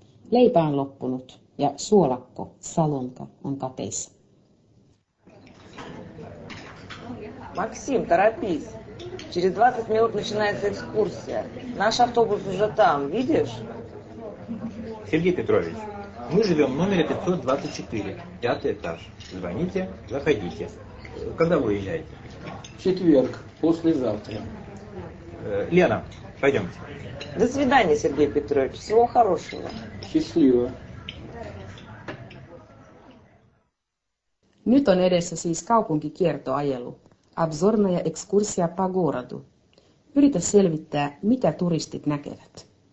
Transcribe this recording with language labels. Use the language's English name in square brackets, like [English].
[Finnish] Leipä on loppunut ja suolakko, salonka, on kateissa. [Russian] Максим, торопись. Через 20 минут начинается экскурсия. Наш автобус уже там, видишь? Сергей Петрович, мы живем в номере 524, 5 этаж. Звоните, заходите. Когда вы уезжаете? В четверг, послезавтра. Лена, пойдемте. До свидания, Сергей Петрович. Всего хорошего. Счастливо. [Finnish] Nyt on edessä siis kaupunkikiertoajelu. [Russian] Обзорная экскурсия по городу. [Finnish] Yritä selvittää, mitä turistit näkevät.